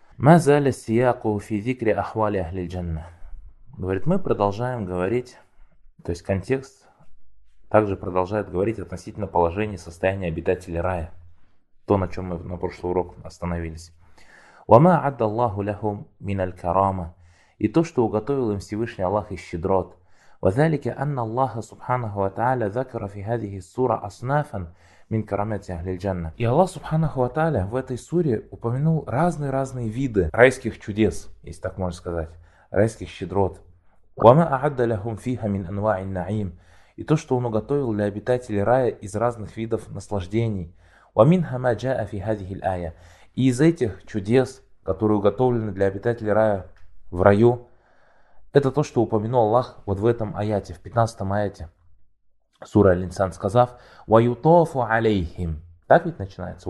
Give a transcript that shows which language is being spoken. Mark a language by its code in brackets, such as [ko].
[ar] «Ма зали сияку фи зикри ахвали ахли джанна». [ru] Говорит, мы продолжаем говорить, то есть контекст также продолжает говорить относительно положения и состояния обитателей рая. То, на чем мы на прошлый урок остановились. [ar] «Ва ма адда Аллаху ляху миналь карама». [ru] И то, что уготовил им Всевышний Аллах из щедрот. [ar] وذلك أن الله سبحانه وتعالى ذكر في هذه السورة أصنافا من كرامات أهل الجنة. [ru] И Аллах Субханаху ва Тааля в этой суре упомянул разные виды райских чудес, если так можно сказать, райских щедрот. [ar] وَمَا أَعَدَّ لَهُمْ فِيهَا مِنْ أَنْوَاعِ النَّعِيمِ. [ru] И то, что он уготовил для обитателей рая из разных видов наслаждений. [ar] وَمِنْهَا مَا جَاءَ فِي هَذِهِ الْآيَةِ. [ru] И из этих чудес, которые уготовлены для обитателей рая в раю, это то, что упомянул Аллах вот в этом аяте, в 15 аяте сура Аль-Инсан, сказав [ar] «Ваютофу алейхим». [ru] Так ведь начинается?